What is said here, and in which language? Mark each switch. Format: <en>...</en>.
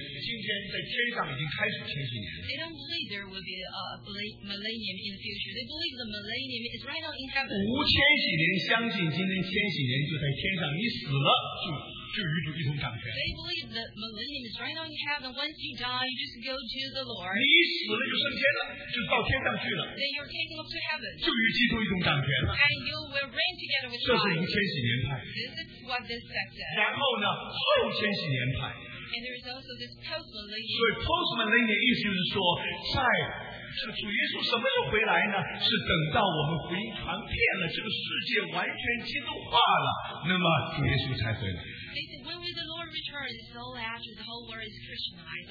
<zh>今天在天上已经开始千禧年。</zh> <en>They don't believe there will be a millennium in the future. They believe the millennium is right now in heaven.</en> <zh>无千禧年相信今天千禧年就在天上，你死了就与主一同掌权。</zh> <en>They believe the millennium is right now in heaven. Once you die, you just go to the Lord.</en> <zh>你死了就升天了，就到天上去了。</zh> <en>Then you're taken up to heaven.</en> <zh>就与基督一同掌权了。</zh> <en>And you will reign together with</en> <zh>Christ. 这是无千禧年派。</zh> <en>This is what this sect says.</en> <zh>然后呢，后千禧年派。</zh> <en>And there is also this post-millennium.</en> <zh>所以 post-millennium 意思就是说，在这个主耶稣什么时候回来呢？是等到我们福音传遍了，这个世界完全基督化了，那么主耶稣才回来。</zh> <en>When will the Lord return? It's all after the whole world is Christianized.</en>